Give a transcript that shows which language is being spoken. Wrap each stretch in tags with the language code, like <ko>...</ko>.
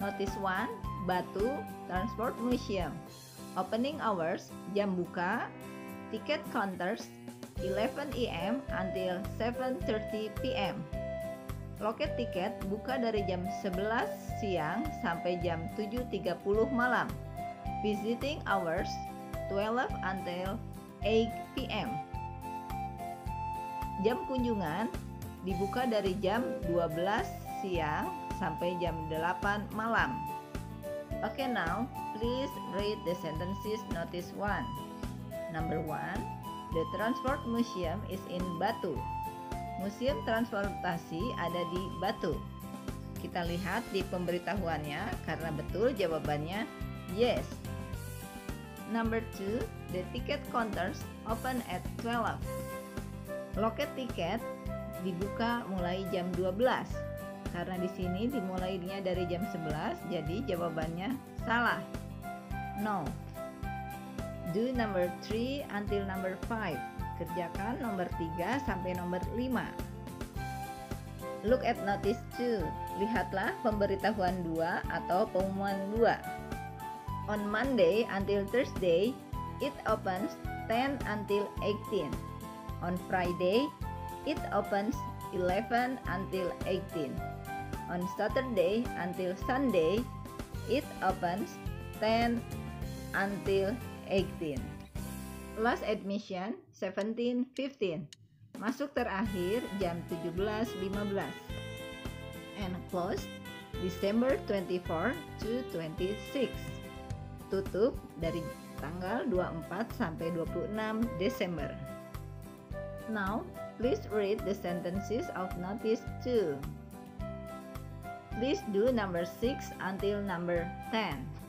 <en>Notice 1, Batu Transport Museum. Opening hours,</en> <id>jam buka,</id> <en>ticket counters, 11 AM until 7:30 PM.</en> <id>Loket tiket buka dari jam 11 siang sampai jam 7:30 malam.</id> <en>Visiting hours, 12 until 8 PM.</en> <id>Jam kunjungan dibuka dari jam 12 siang sampai jam 8 malam.</id> <en>Okay, now please read the sentences notice 1. Number 1, the transport museum is in Batu.</en> <id>Museum transportasi ada di Batu. Kita lihat di pemberitahuannya karena betul jawabannya yes.</id> <en>Number 2, the ticket counters open at 12.</en> <id>Loket tiket dibuka mulai jam 12. Karena di sini dimulainya dari jam 11, jadi jawabannya salah. No.</id> <en>Do number 3 until number 5.</en> <id>Kerjakan nomor 3 sampai nomor 5.</id> <en>Look at notice 2.</en> <id>Lihatlah pemberitahuan 2 atau pengumuman 2.</id> <en>On Monday until Thursday, it opens 10 until 18. On Friday, it opens 11 until 18. On Saturday until Sunday, it opens 10 until 18. Last admission 17:15.</en> <id>Masuk terakhir jam 17:15.</id> <en>And closed December 24 to 26.</en> <id>Tutup dari tanggal 24 sampai 26 Desember.</id> <en>Now, please read the sentences of notice 2. Please do number 6 until number 10.</en>